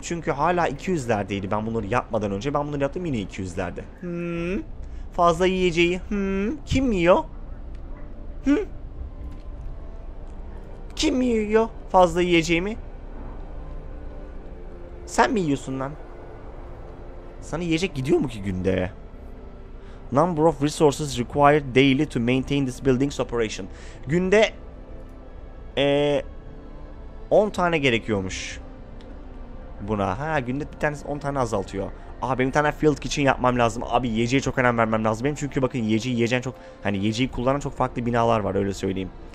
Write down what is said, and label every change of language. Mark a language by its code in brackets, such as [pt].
[tr] Çünkü hala 200'lerdeydi ben bunları yapmadan önce. Ben bunları yaptım yine 200'lerde. Fazla yiyeceği. Kim yiyor? Kim yiyor fazla yiyeceğimi? Sen mi yiyorsun lan? Sana yiyecek gidiyor mu ki günde? [en] Number of resources required daily to maintain this building's operation. [tr] Günde 10 tane gerekiyormuş. Buna. Ha, günde bir tanesi 10 tane azaltıyor. Aa, benim bir tane field kitchen yapmam lazım. Abi yiyeceğe çok önem vermem lazım benim. Çünkü bakın yiyeceğin çok, hani yiyeceği kullanan çok farklı binalar var öyle söyleyeyim.